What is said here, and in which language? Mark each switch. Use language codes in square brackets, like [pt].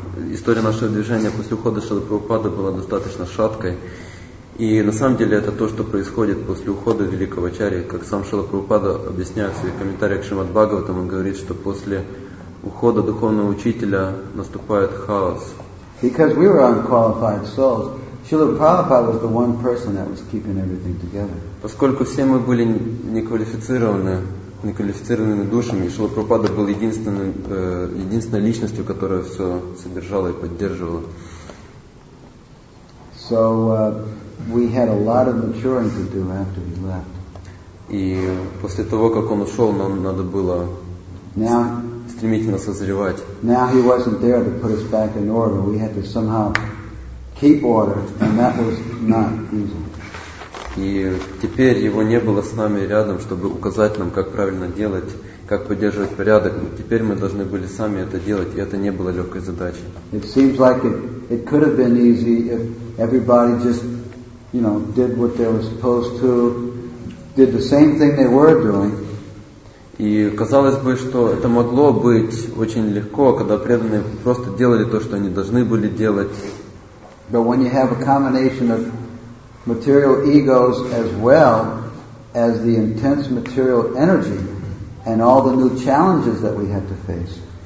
[ru] История нашего движения после ухода Шрилы Прабхупады была достаточно шаткой. И на самом деле это то, что происходит после ухода великого ачарьи. Как сам Шрила Прабхупада объясняет в своих комментариях к Шримад Бхагаватам, он говорит, что после ухода духовного учителя наступает хаос. [en] Because we were unqualified souls, Шрила Прабхупада was the one person that was keeping everything together. [ru] Поскольку все мы были неквалифицированными душами, Шрила Прабхупада был единственной личностью, которая все содержала и поддерживала. [en] So we had a lot of maturing to do after he left. [ru] И после того, как он ушел, нам надо было стремительно созревать. [en] Now he wasn't there to put us back in order. We had to somehow keep order, and that was not easy. [ru] И теперь его не было с нами рядом, чтобы указать нам, как правильно делать, как поддерживать порядок. Теперь мы должны были сами это делать, и это не было легкой задачей. [en] It seems like it could have been easy if everybody just, you know, did what they were supposed to, did the same thing they were doing. [ru] И казалось бы, что это могло быть очень легко, когда преданные просто делали то, что они должны были делать. [en] But when you have a combination of material egos as well as the intense material energy and all the new challenges that we had to face.